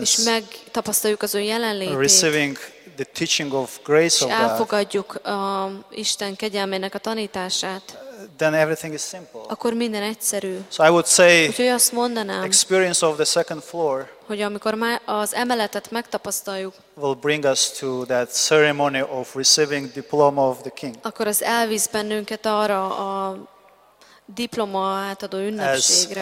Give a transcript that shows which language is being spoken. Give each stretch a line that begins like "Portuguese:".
Hungarian: És megtapasztaljuk az ő jelenlétét.
English: Receiving the teaching of grace of God.
Hungarian: És elfogadjuk Isten kegyelmének a tanítását.
English: Then everything is simple.
Hungarian: Akkor minden egyszerű.
English: So I would say,
Hungarian: úgyhogy azt mondanám,
English: experience of the second floor,
Hungarian: hogy amikor már az emeletet megtapasztaljuk,
English: will bring us to that ceremony of receiving diploma of the king.
Hungarian: Akkor az elvisz bennünket arra a diploma átadó ünnepségre.